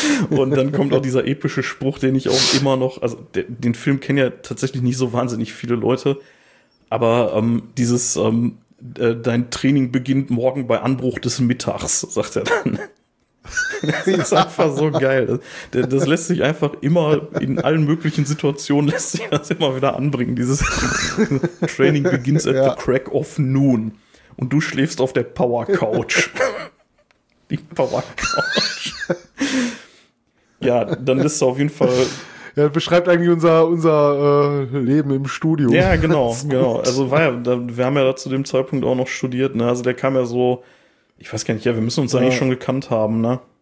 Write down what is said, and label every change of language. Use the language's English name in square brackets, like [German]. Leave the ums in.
[German] Und dann kommt auch dieser epische Spruch, den ich auch immer noch, also de- den Film kennen ja tatsächlich nicht so wahnsinnig viele Leute, aber ähm, dieses ähm, äh, dein Training beginnt morgen bei Anbruch des Mittags, sagt er dann. Das ist einfach so geil. Das, das lässt sich einfach immer in allen möglichen Situationen lässt sich das immer wieder anbringen. Dieses [English] Training begins at [German] Ja. [English] the crack of noon [German] und du schläfst auf der Power Couch. Die Power Couch. Ja, dann ist auf jeden Fall Er beschreibt eigentlich unser, unser äh, Leben im Studio. Ja, genau, genau. Also war ja, da, wir haben ja da zu dem Zeitpunkt auch noch studiert, ne? Also der kam ja so, ich weiß gar nicht, ja, wir müssen uns eigentlich schon gekannt haben, ne?